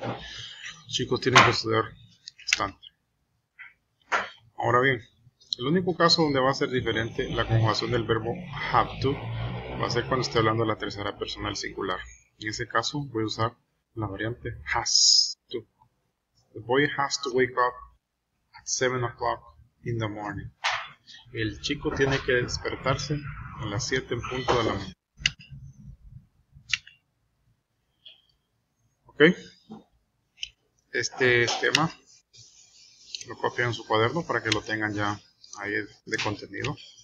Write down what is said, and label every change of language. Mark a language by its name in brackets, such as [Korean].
[Spanish] Los chicos tienen que estudiar bastante. Ahora bien, el único caso donde va a ser diferente la conjugación del verbo have to va a ser cuando esté hablando de la tercera persona del singular. En ese caso voy a usar la variante has to. [English] The boy has to wake up at 7 o'clock in the morning. [Spanish] El chico tiene que despertarse a las 7 en punto de la mañana. Ok. Este tema lo copian en su cuaderno para que lo tengan ya ahí de contenido.